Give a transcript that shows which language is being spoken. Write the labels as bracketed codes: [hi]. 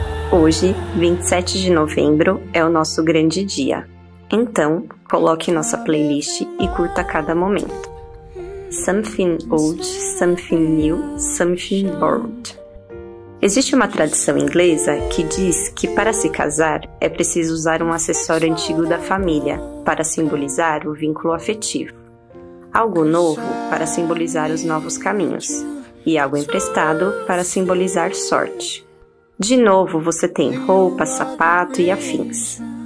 [pt] Hoje, 27 de novembro, é o nosso grande dia. Então, coloque nossa playlist e curta cada momento. [en] Something old, something new, something borrowed. [pt] Existe uma tradição inglesa que diz que para se casar é preciso usar um acessório antigo da família para simbolizar o vínculo afetivo. Algo novo para simbolizar os novos caminhos. e algo emprestado para simbolizar sorte. De novo, você tem roupa, sapato e afins.